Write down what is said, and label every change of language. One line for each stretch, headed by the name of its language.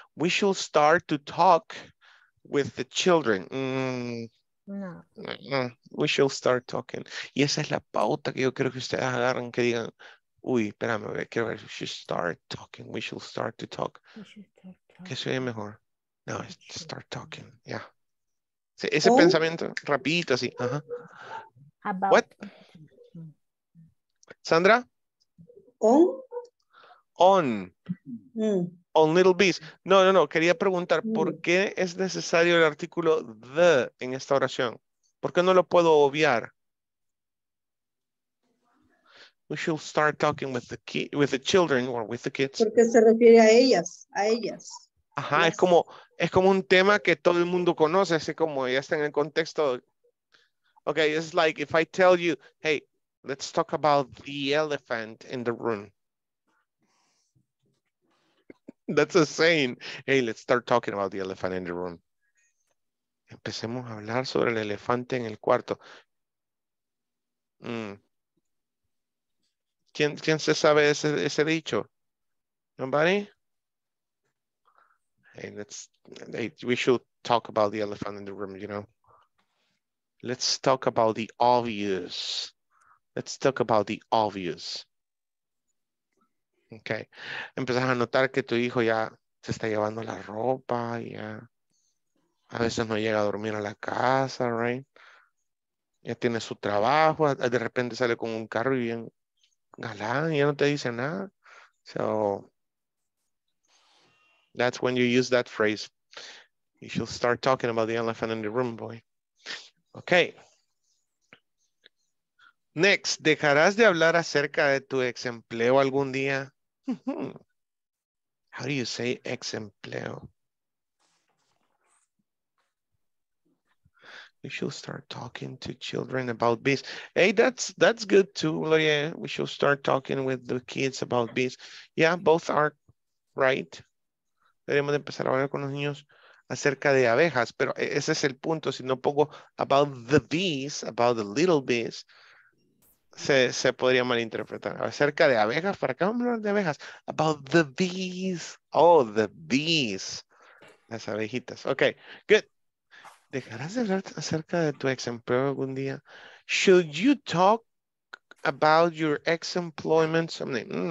English: We should start to talk with the children. We should start talking.
Spanish: Y esa es la pauta que yo quiero que ustedes agarren, que digan, espérame, quiero ver.
English: We should start to talk.
Spanish: ¿Qué sería mejor? No, es
English: start talking. Yeah.
Spanish: Sí, ese pensamiento, rapidito, así.
English: What? Sandra? On. On little bees.
Spanish: No. Quería preguntar, ¿por qué es necesario el artículo the en esta oración? ¿Por qué no lo puedo obviar?
English: We should start talking with the children or with the kids.
Spanish: Porque se refiere a ellas. Ajá, yes. Es como un tema que todo el mundo conoce, así como ya está en el contexto.
English: Okay, it's like if I tell you, hey, let's talk about the elephant in the room. That's a saying. Hey, let's start talking about the elephant in the room.
Spanish: Empecemos a hablar sobre el elefante en el cuarto. ¿Quién se sabe ese dicho?
English: Nobody? Hey, we should talk about the elephant in the room, you know. Let's talk about the obvious. Okay.
Spanish: Empezas a notar que tu hijo ya se está llevando la ropa, ya. A veces no llega a dormir a la casa, right? Ya tiene su trabajo, de repente sale con un carro y bien galán, y ya no te dice nada.
English: That's when you use that phrase. You should start talking about the elephant in the room, boy. Okay.
Spanish: Next, ¿dejarás de hablar acerca de tu ex empleo algún día?
English: How do you say ex empleo? We should start talking to children about bees. Hey, that's good too, Loya. We should start talking with the kids about bees. Yeah, both are right.
Spanish: Debemos empezar a hablar con los niños acerca de abejas, pero ese es el punto. Si no pongo
English: about the bees, about the little bees,
Spanish: se podría malinterpretar. Acerca de abejas, ¿para qué vamos a hablar de abejas?
English: About the bees. Oh, the bees.
Spanish: Las abejitas.
English: Okay, good.
Spanish: ¿Dejarás de hablar acerca de tu ex empleo algún día?
English: Should you talk about your ex employment someday?